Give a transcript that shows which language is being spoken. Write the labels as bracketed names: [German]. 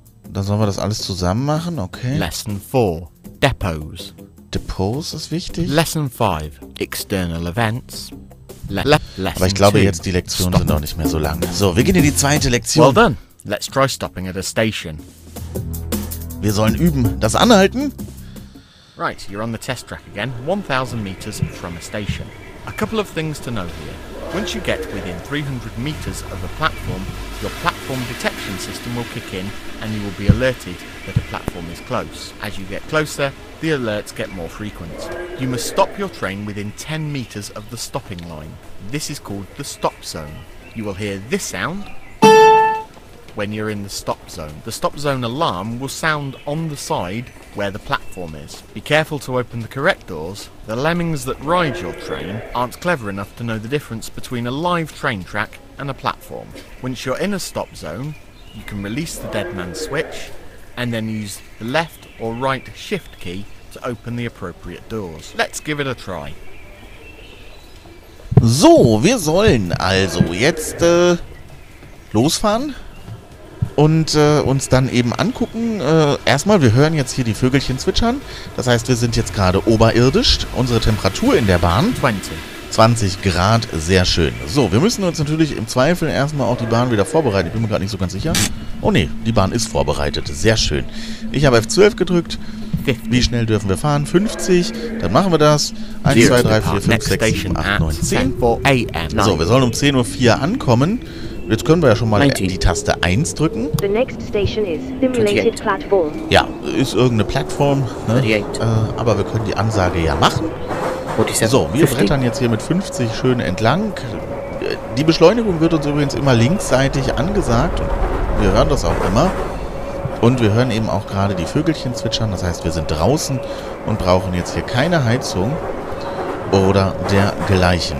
[German] Dann sollen wir das alles zusammen machen, okay. [English] Lesson 4. Depots. [German] Depots ist wichtig. [English] Lesson 5. External events. [German] Aber ich glaube, jetzt die Lektionen sind noch nicht mehr so lang. So, wir gehen in die zweite Lektion. [English] Well done. Let's try stopping at a station. [German] Wir sollen üben. Das Anhalten. [English] Right, you're on the test track again. 1000 meters from a station. A couple of things to know here. Once you get within 300 meters of a platform, your platform detection system will kick in and you will be alerted that a platform is close. As you get closer, the alerts get more frequent. You must stop your train within 10 meters of the stopping line. This is called the stop zone. You will hear this sound when you're in the stop zone. The stop zone alarm will sound on the side where the platform is. Be careful to open the correct doors. The lemmings that ride your train aren't clever enough to know the difference between a live train track and a platform. Once you're in a stop zone, you can release the dead man switch and then use the left or right shift key to open the appropriate doors. Let's give it a try. [German] So, wir sollen also jetzt losfahren und uns dann eben angucken. Erstmal, wir hören jetzt hier die Vögelchen zwitschern. Das heißt, wir sind jetzt gerade oberirdisch. Unsere Temperatur in der Bahn? 20 Grad, sehr schön. So, wir müssen uns natürlich im Zweifel erstmal auch die Bahn wieder vorbereiten. Ich bin mir gerade nicht so ganz sicher. Oh ne, die Bahn ist vorbereitet. Sehr schön. Ich habe F12 gedrückt. Wie schnell dürfen wir fahren? 50. Dann machen wir das. 1, 2, 3, 4, 5, 6, 7, 8, 9, 10. So, wir sollen um 10.04 Uhr ankommen. Jetzt können wir ja schon mal die Taste 1 drücken. [English] The next station is simulated platform. [German] Ja, ist irgendeine Plattform. Ne? Aber wir können die Ansage ja machen. So, wir brettern jetzt hier mit 50 schön entlang. Die Beschleunigung wird uns übrigens immer linksseitig angesagt. Wir hören das auch immer. Und wir hören eben auch gerade die Vögelchen zwitschern. Das heißt, wir sind draußen und brauchen jetzt hier keine Heizung oder dergleichen.